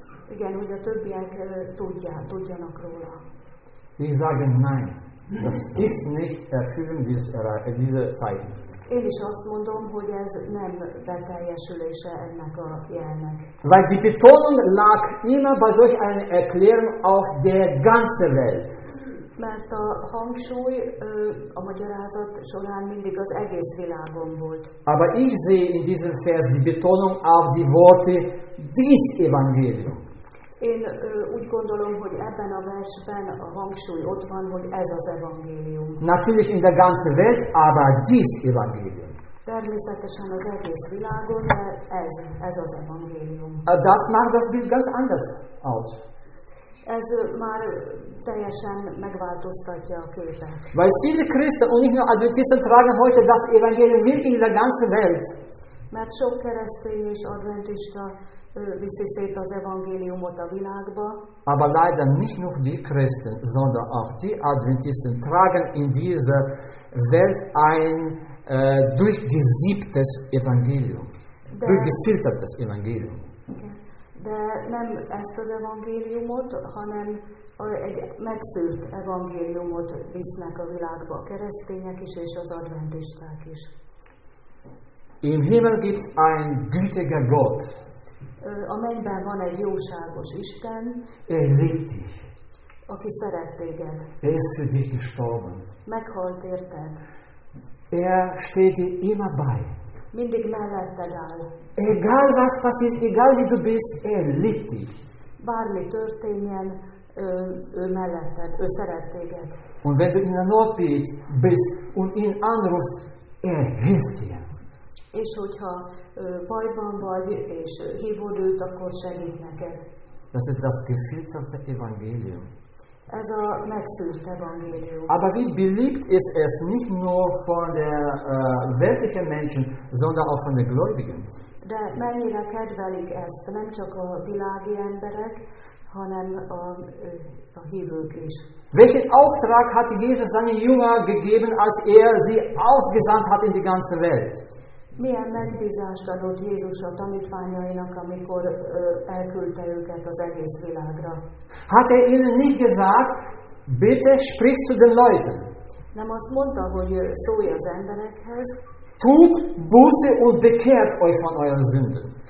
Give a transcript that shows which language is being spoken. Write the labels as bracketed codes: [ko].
[hu] Igen, hogy a többiek tudjanak róla. [de] Ich sage nein. Das ist nicht erfüllen diese Zeichen. [hu] Én is azt mondom, hogy ez nem beteljesülése ennek a jelnek. [de] Weil die Betonung lag immer bei solch einer Erklärung auf der ganzen Welt. [hu] Mert a hangsúly a magyarázat során mindig az egész világon volt. [de] Aber ich sehe in diesem Vers die Betonung auf die Worte dies Evangelium. [hu] Én úgy gondolom, hogy ebben a versben a hangsúly ott van, hogy ez az evangélium. [de] Natürlich in der ganzen Welt, aber dies Evangelium. [hu] Természetesen az egész világon, de ez az evangélium. [de] Das macht das Bild ganz anders aus. [hu] Ez már teljesen megváltoztatja a képet. [de] Weil viele Christen und nicht nur Adventisten tragen heute das Evangelium mit in der ganzen Welt. [hu] Mert sok keresztény és adventista viszi szét az evangéliumot a világba. [de] Aber leider nicht nur die Christen, sondern auch die Adventisten tragen in dieser Welt ein durchgesiebtes Evangelium, durchgefiltertes Evangelium. [hu] De nem ezt az evangéliumot, hanem egy megszűrt evangéliumot visznek a világba a keresztények is és az adventisták is. [de] Im Himmel gibt es ein gütiger Gott. [hu] A mennyben van egy jóságos Isten. [de] Er liebt dich. [hu] Aki szeret téged. [de] Er ist für dich gestorben. [hu] Meghalt érted. [de] Er steht dir immer bei. [hu] Mindig melletted áll. [de] Egal was passiert, egal wie du bist, er liebt dich. [hu] Bármi történjen, ő melletted, ő szeret téged. [de] Und wenn du in der Not bist und ihn anrufst, er hilft dir. [hu] És hogyha bajban vagy, és hívod őt, akkor segít neked. [de] Das ist das gefilterte Evangelium. [hu] Ez a megszűrt evangélium. [de] Aber wie beliebt ist es nicht nur von der weltlichen Menschen, sondern auch von den Gläubigen. [hu] De mennyire kedvelik ezt, nem csak a világi emberek, hanem a hívők is. [de] Welchen Auftrag hat Jesus seinen Jünger gegeben, als er sie ausgesandt hat in die ganze Welt? [hu] Milyen megbízást adott Jézus a tanítványainak, amikor elküldte őket az egész világra? [de] Hat er ihnen nicht gesagt, bitte sprich zu den Leuten. [hu] Nem azt mondta, hogy szólj az emberekhez. [de] Tut Buße und bekehrt euch von euren Sünden.